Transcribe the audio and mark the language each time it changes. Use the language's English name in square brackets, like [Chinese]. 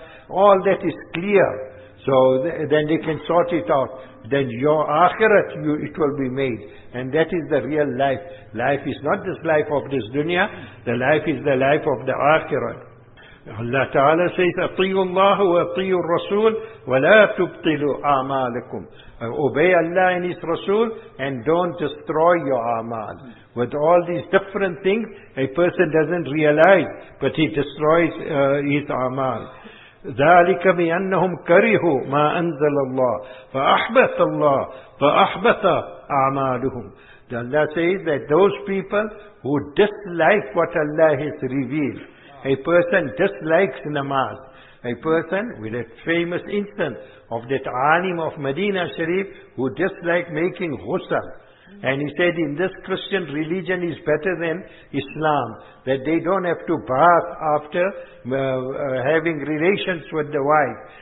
[English] All that is clear. So then they can sort it out. Then your akhirat, it will be made. And that is the real life. Life is not this life of this dunya. The life is the life of the akhirat. Allah Ta'ala says, [Arabic] أَطِيُوا اللَّهُ وَأَطِيُوا الرَّسُولُ وَلَا تُبْطِلُوا أَعْمَالَكُمْ. [English] Obey Allah and His Rasul and don't destroy your a'mal. With all these different things, a person doesn't realize, but he destroys his a'mal. [Arabic] ذلك بأنهم كرهوا ما أنزل الله فأحبط الله فأحبط أعمالهم. [English] Allah says that those people who dislike what Allah has revealed, a person dislikes namaz. A person with a famous instance of that alim of Medina Sharif who disliked making ghusl. And he said, in this Christian religion is better than Islam, that they don't have to bath after having relations with the wife.